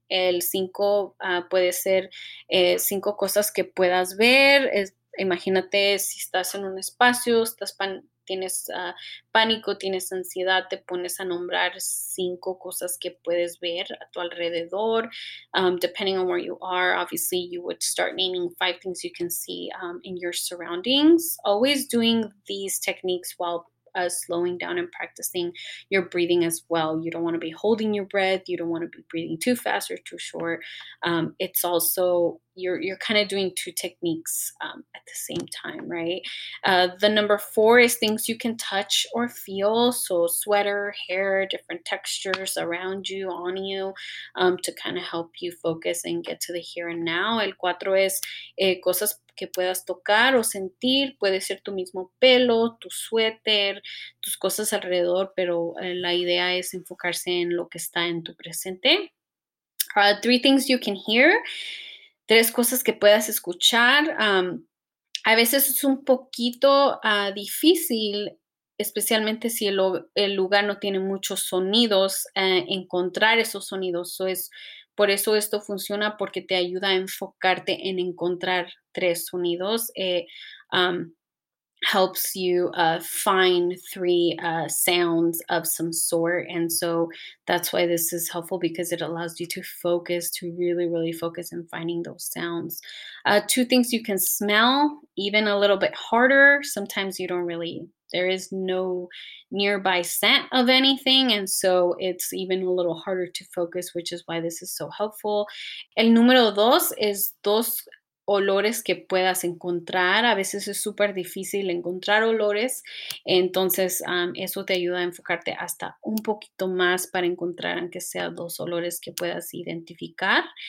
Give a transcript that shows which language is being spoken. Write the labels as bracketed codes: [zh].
[es] El cinco puede ser cinco cosas que puedas ver. Imagínate si estás en un espacio, tienes pánico, tienes ansiedad, te pones a nombrar cinco cosas que puedes ver a tu alrededor. [en] Depending on where you are, obviously you would start naming five things you can see in your surroundings. Always doing these techniques while slowing down and practicing your breathing as well. You don't want to be holding your breath. You don't want to be breathing too fast or too short. It's also, you're kind of doing two techniques at the same time, right? The number four is things you can touch or feel. So sweater, hair, different textures around you, on you, to kind of help you focus and get to the here and now. [es] El cuatro es cosas que puedas tocar o sentir, puede ser tu mismo pelo, tu suéter, tus cosas alrededor, pero la idea es enfocarse en lo que está en tu presente. [en] Three things you can hear, [es] tres cosas que puedas escuchar. A veces es un poquito difícil, especialmente si el lugar no tiene muchos sonidos, encontrar esos sonidos. Por eso esto funciona, porque te ayuda a enfocarte en encontrar tres sonidos. [en] Helps you find three sounds of some sort. And so that's why this is helpful, because it allows you to focus, to really, really focus in finding those sounds. Two things you can smell, even a little bit harder. Sometimes you don't really, there is no nearby scent of anything, and so it's even a little harder to focus, which is why this is so helpful. [es] El número dos es dos olores que puedas encontrar. A veces es súper difícil encontrar olores, entonces eso te ayuda a enfocarte hasta un poquito más para encontrar aunque sea dos olores que puedas identificar.